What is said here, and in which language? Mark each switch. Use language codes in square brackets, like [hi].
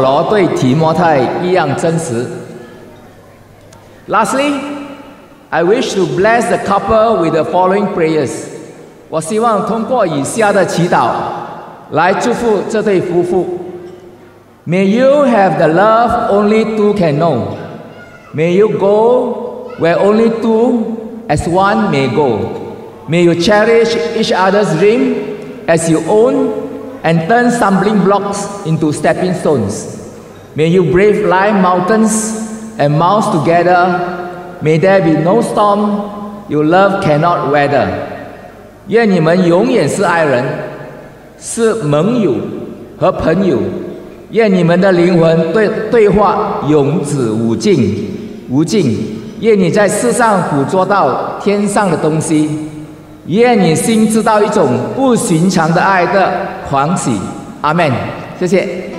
[zh] 我希望你会想起你祖母和母亲的信仰，就像保罗对提摩太一样真实。 [en] Lastly, I wish to bless the couple with the following prayers. [zh] 我希望通过以下的祈祷来祝福这对夫妇。 [en] May you have the love only two can know. May you go where only two as one may go. May you cherish each other's dream as your own and turn stumbling blocks into stepping stones. May you brave life mountains and mount together. May there be no storm your love cannot weather. [zh] 愿你们永远是爱人，是盟友和朋友。愿你们的灵魂对话永止无尽，愿你在世上捕捉到天上的东西。愿你心知道一种不寻常的爱的狂喜。阿门。谢谢。